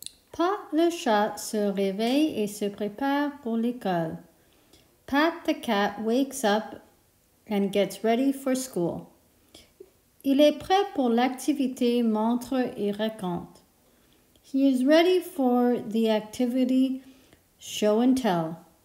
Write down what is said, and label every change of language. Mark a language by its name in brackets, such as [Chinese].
[French] Pat le chat se réveille et se prépare pour l'école. [English] Pat the cat wakes up and gets ready for school. [French] Il est prêt pour l'activité montre et raconte. [English] He is ready for the activity show and tell.